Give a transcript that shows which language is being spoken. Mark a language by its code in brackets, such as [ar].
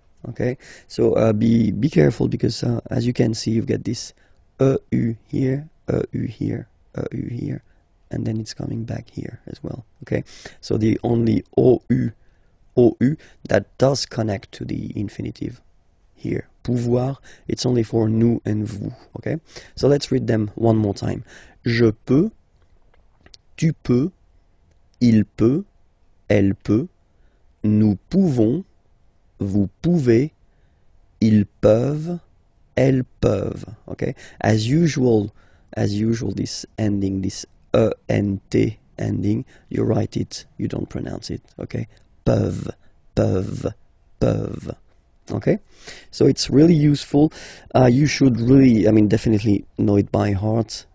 [en] Okay, so be careful, because as you can see, you've got this EU here, EU here, AU here, and then it's coming back here as well. Okay, so the only OU that does connect to the infinitive here, pouvoir, it's only for nous and vous. Okay, so let's read them one more time. [fr] Je peux, tu peux, il peut, elle peut, nous pouvons, vous pouvez, ils peuvent, elles peuvent. [en] Okay, as usual, this ending, this ENT ending, you write it, you don't pronounce it. [fr] Okay, peuvent, peuvent, peuvent. [en] Okay, so it's really useful. You should really, I mean, definitely know it by heart.